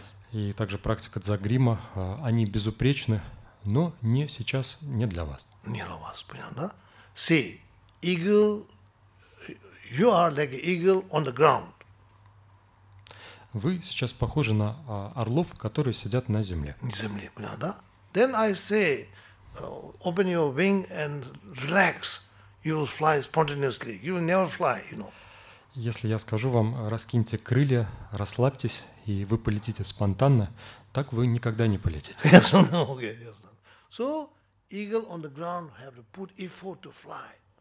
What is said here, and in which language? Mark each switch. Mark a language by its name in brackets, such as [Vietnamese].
[Russian] И также практика Дзогрима, они безупречны, но не сейчас, не для вас. Не для вас, понятно, да? [English] See, eagle, you are like eagle on the ground. [Russian] Вы сейчас похожи на орлов, которые сидят на земле. На земле, понятно, да? [English] Then I say, open your wing and relax. You will fly spontaneously. You will never fly, you know. [Russian] Если я скажу вам, раскиньте крылья, расслабьтесь, и вы полетите спонтанно, так вы никогда не полетите. [English] Yes, no, okay, yes, no. So, eagle on the ground have to put effort to fly.